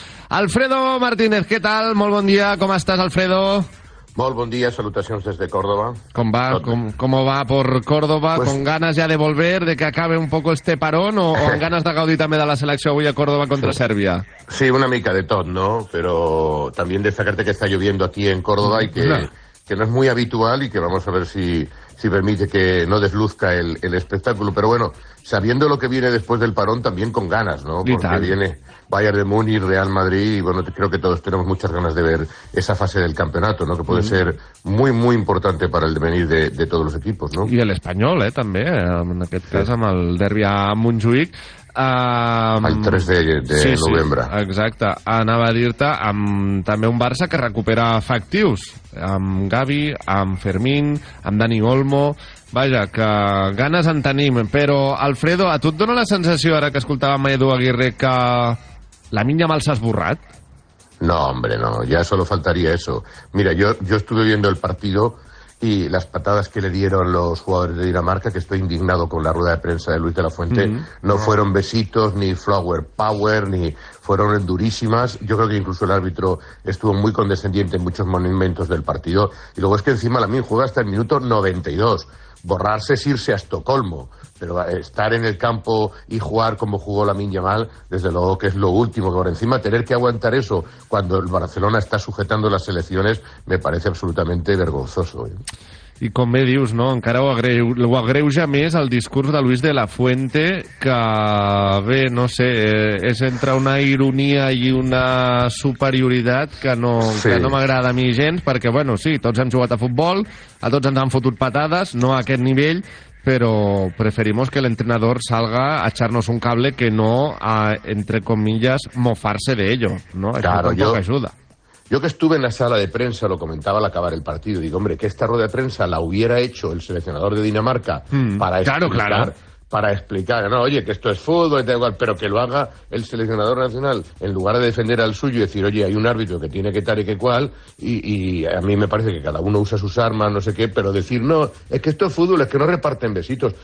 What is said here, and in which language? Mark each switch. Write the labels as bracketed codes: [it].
[ca] Alfredo Martínez, què tal? Molt bon dia, com estàs, Alfredo? Molt bon dia, salutacions des de Córdoba. Com va? [es] ¿Cómo va por Córdoba? Pues, ¿con ganas ya de volver, de que acabe un poco este parón o [ca] amb ganes de gaudir també de la selecció avui a Córdoba contra Sèrbia? Sí, una mica de tot, ¿no? [es] Pero también destacarte que está lloviendo aquí en Córdoba y que no es muy habitual y que vamos a ver si permite que no desluzca el espectáculo. Pero bueno, sabiendo lo que viene después del parón, también con ganas, ¿no? Porque viene Bayern de Múnich, Real Madrid, y bueno, creo que todos tenemos muchas ganas de ver esa fase del campeonato, ¿no? Que puede ser muy, muy importante para el devenir de todos los equipos, ¿no? [ca] Y el Español, també, en aquest cas, amb el derbi a Montjuïc. El 3 de sí, novembre. Sí, exacte. Anava a dir-te, també un Barça que recupera efectius, amb Gavi, amb Fermín, amb Dani Olmo... Vaja, que ganes en tenim, però, Alfredo, a tu et dona la sensació, ara que escoltàvem a Edu Aguirre, que la minya mal s'ha esborrat? [es] No, hombre, no, ya solo faltaría eso. Mira, yo estuve viendo el partido y las patadas que le dieron los jugadores de Dinamarca, que estoy indignado con la rueda de prensa de Luis de la Fuente, no fueron besitos, ni flower power, ni fueron durísimas. Yo creo que incluso el árbitro estuvo muy condescendiente en muchos momentos del partido. Y luego es que encima Lamine juega hasta el minuto 92. Borrarse es irse a Estocolmo, pero estar en el campo y jugar como jugó Lamine Yamal, desde luego que es lo último. Por encima, tener que aguantar eso cuando el Barcelona está sujetando las selecciones me parece absolutamente vergonzoso. [ca] I com bé dius, no? Encara ho agreuja més el discurs de Luis de la Fuente, que bé, no sé, és entre una ironia i una superioritat que no, sí, que no m'agrada a mi gens, perquè bueno, sí, tots hem jugat a futbol, a tots ens han fotut patades, no a aquest nivell, però [es] preferimos que [ca] l'entrenador [es] salga a echarnos un cable que no a, entre comillas, [ca] mofar-se d'ello, no? Claro, això tampoc ajuda. [es] Yo que estuve en la sala de prensa, lo comentaba al acabar el partido, digo, hombre, que esta rueda de prensa la hubiera hecho el seleccionador de Dinamarca para explicar, para explicar, no, oye, que esto es fútbol, da igual, pero que lo haga el seleccionador nacional en lugar de defender al suyo y decir, oye, hay un árbitro que tiene que tal y que cual, y a mí me parece que cada uno usa sus armas, no sé qué, pero decir, no, es que esto es fútbol, es que no reparten besitos.